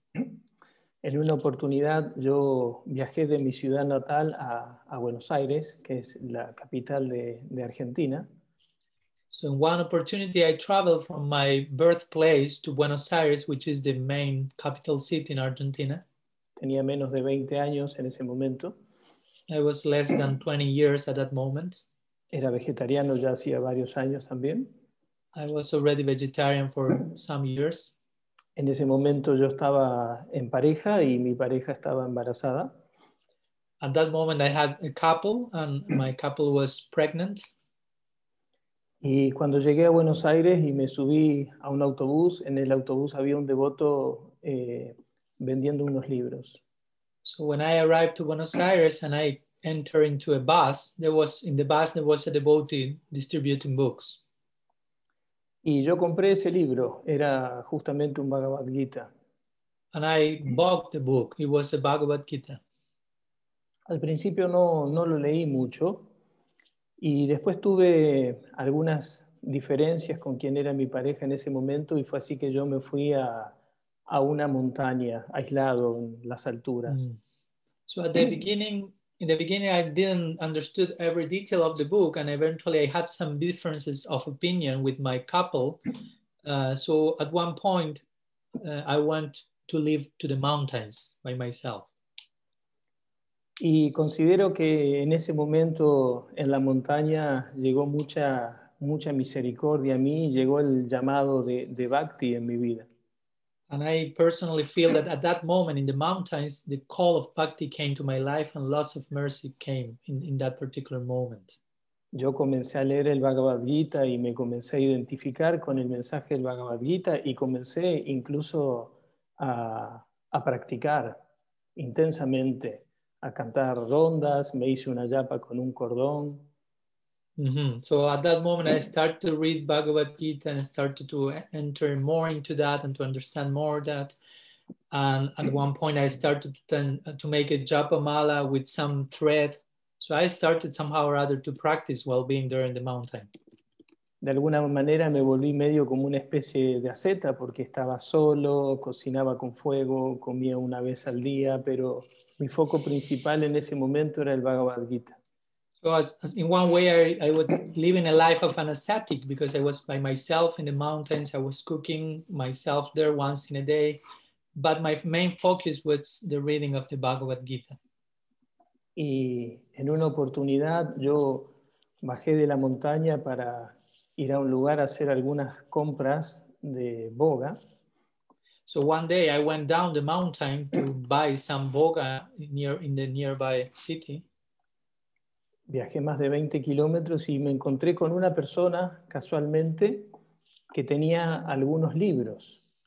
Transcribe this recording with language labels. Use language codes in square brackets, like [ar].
[es] En una oportunidad, yo viajé de mi ciudad natal a Buenos Aires, que es la capital de Argentina. [en] So in one opportunity, I traveled from my birthplace to Buenos Aires, which is the main capital city in Argentina. [es] Tenía menos de 20 años en ese momento. [en] I was less than 20 years at that moment. [es] Era vegetariano ya hacía varios años también. [en] I was already vegetarian for some years. [es] En ese momento yo estaba en pareja y mi pareja estaba embarazada. [en] At that moment I had a couple and my couple was pregnant. [es] Y cuando llegué a Buenos Aires y me subí a un autobús, en el autobús había un devoto vendiendo unos libros. [en] So when I arrived to Buenos Aires and I entered into a bus, there was a devotee distributing books. [es] Y yo compré ese libro, era justamente un Bhagavad Gita. [en] And I bought the book, it was a Bhagavad Gita. [es] Al principio no lo leí mucho, y después tuve algunas diferencias con quien era mi pareja en ese momento, y fue así que yo me fui a una montaña, aislado en las alturas. [en] So at the beginning, I didn't understand every detail of the book, and eventually I had some differences of opinion with my couple. So at one point, I went to live to the mountains by myself. [es] Y considero que en ese momento en la montaña llegó mucha misericordia a mí, llegó el llamado de Bhakti en mi vida. [en] And I personally feel that at that moment in the mountains, the call of Bhakti came to my life and lots of mercy came in that particular moment. [es] Yo comencé a leer el Bhagavad Gita y me comencé a identificar con el mensaje del Bhagavad Gita y comencé incluso a practicar intensamente, a cantar rondas, me hice una japa con un cordón. Mm-hmm. [en] So at that moment I started to read Bhagavad Gita and started to enter more into that and to understand more that. And at one point I started to make a japa mala with some thread. So I started somehow or other to practice while being there in the mountain. [es] De alguna manera me volví medio como una especie de asceta porque estaba solo, cocinaba con fuego, comía una vez al día, pero mi foco principal en ese momento era el Bhagavad Gita. [en] So as in one way I was living a life of an ascetic because I was by myself in the mountains, I was cooking myself there once in a day, but my main focus was the reading of the Bhagavad Gita. [es] Y en una oportunidad yo bajé de la montaña para ir a un lugar a hacer algunas compras de boga. [en] So one day I went down the mountain to buy some boga in the nearby city. [es] Viajé más de 20 kilómetros y me encontré con una persona, casualmente, que tenía algunos libros.